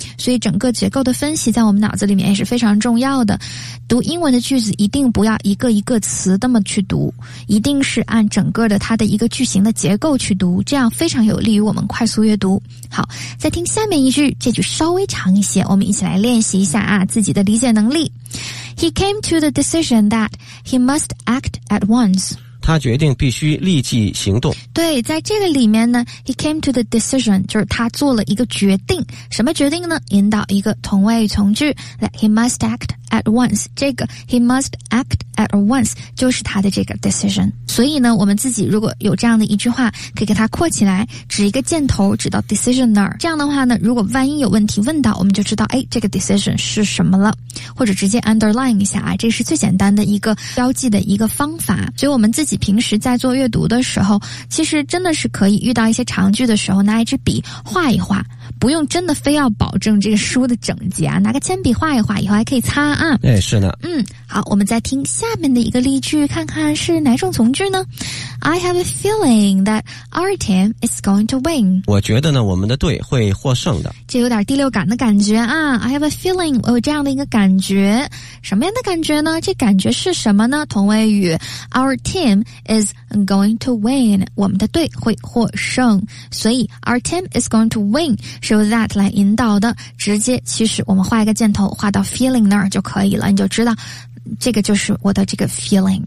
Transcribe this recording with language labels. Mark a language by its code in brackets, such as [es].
[zh] 所以整个结构的分析在我们脑子里面也是非常重要的，读英文的句子一定不要一个一个词那么去读，一定是按整个的它的一个句型的结构去读，这样非常有利于我们快速阅读。好，再听下面一句，这句稍微长一些，我们一起来练习一下啊自己的理解能力。 [en] He came to the decision that he must act at once. [zh] 他决定必须立即行动。对，在这个里面呢 , [en] he came to the decision, [zh] 就是他做了一个决定。什么决定呢？引导一个同位从句 , [en] that he must act at once. [zh] 这个 [en] he must act at once, [zh] 就是他的这个 decision. 所以呢我们自己如果有这样的一句话可以给他括起来，指一个箭头指到 decision 那儿。这样的话呢如果万一有问题问到，我们就知道诶这个 decision 是什么了。或者直接 underline 一下啊，这是最简单的一个标记的一个方法。所以我们自己平时在做阅读的时候，其实真的是可以遇到一些长句的时候，拿一支笔画一画，不用真的非要保证这个书的整洁啊，拿个铅笔画一画，以后还可以擦啊。哎，是的。嗯，好，我们再听下面的一个例句，看看是哪种从句呢？ [en] I have a feeling that our team is going to win. [zh] 我觉得呢，我们的队会获胜的。这有点第六感的感觉啊。 [en] I have a feeling, [zh] 我有这样的一个感觉。什么样的感觉呢？这感觉是什么呢？同位语 [en] Our team is going to win, [zh] 我们的队会获胜。所以 [en] Our team is going to win [zh] 是由 that 来引导的，直接其实我们画一个箭头画到 feeling 那儿就可以了，你就知道这个就是我的这个 feeling。